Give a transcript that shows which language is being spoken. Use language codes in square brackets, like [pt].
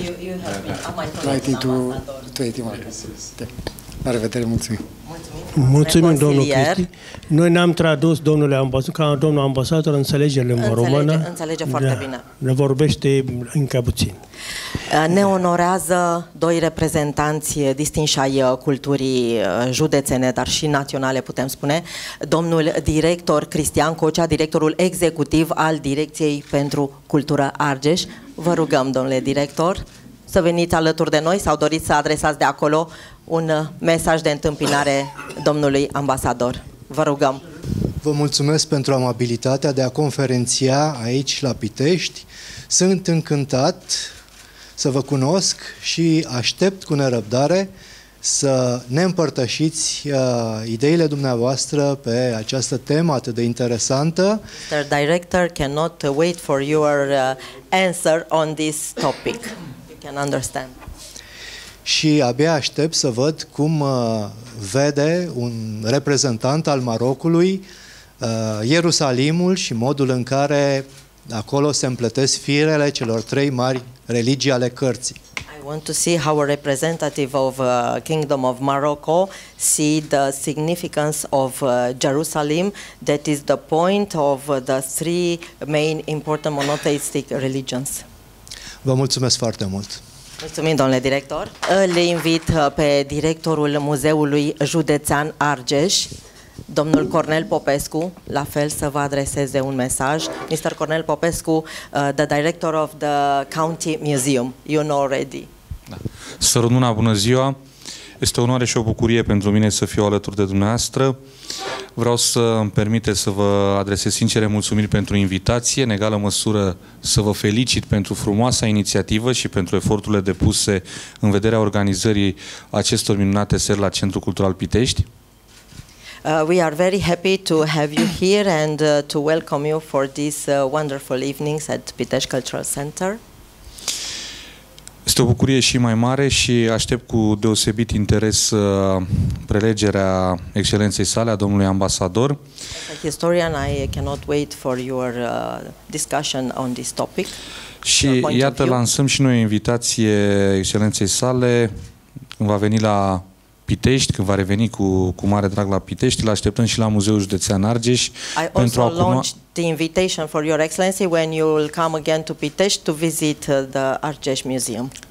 [en] You have been, am I told you, ambasador? [ro] 21. Yes. La revedere, mulțumim. Mulțumim, domnul Cristi. Noi n-am tradus, domnule ambasador, ca domnul ambasador înțelege limba română. Înțelege foarte bine. Ne vorbește încă puțin. Ne onorează doi reprezentanți distinși ai culturii județene, dar și naționale, putem spune, domnul director Cristian Cocea, directorul executiv al Direcției pentru Cultură Argeș. Vă rugăm, domnule director, să veniți alături de noi, sau doriți să adresați de acolo un mesaj de întâmpinare domnului ambasador. Vă rugăm. Vă mulțumesc pentru amabilitatea de a conferenția aici la Pitești. Sunt încântat să vă cunosc și aștept cu nerăbdare să ne împărtășiți ideile dumneavoastră pe această temă atât de interesantă. [en] Mr. Director, cannot wait for your answer on this topic. You can understand. [ro] Și abia aștept să văd cum vede un reprezentant al Marocului Ierusalimul și modul în care acolo se împletesc firele celor trei mari religii ale cărții. [en] I want to see how a representative of the Kingdom of Morocco see the significance of Jerusalem, that is the point of the three main important monotheistic religions. [ro] Vă mulțumesc foarte mult. Mulțumim, domnule director. Îl invit pe directorul Muzeului Județean Argeș, domnul Cornel Popescu, la fel să vă adreseze un mesaj. [en] Mr. Cornel Popescu, the director of the County Museum. You know already. [ro] Da. Sărbătoarea, bună ziua! Este o onoare și o bucurie pentru mine să fiu alături de dumneavoastră. Vreau să îmi permite să vă adresez sincere mulțumiri pentru invitație, în egală măsură să vă felicit pentru frumoasa inițiativă și pentru eforturile depuse în vederea organizării acestor minunate seri la Centrul Cultural Pitești. [en] We are very happy to have you here and to welcome you for this wonderful evening at Pitești Cultural Center. [ro] Este o bucurie și mai mare și aștept cu deosebit interes prelegerea excelenței sale a domnului ambasador. [en] As a historian, I cannot wait for your discussion on this topic. [ro] Și iată, lansăm și noi o invitație excelenței sale. Când va veni la Pitești, când va reveni cu mare drag la Pitești, îl așteptăm și la Muzeul Județean Argeș pentru a cunoaște [en] the invitation for your excellency when you will come again to Pitești to visit the Argeș Museum.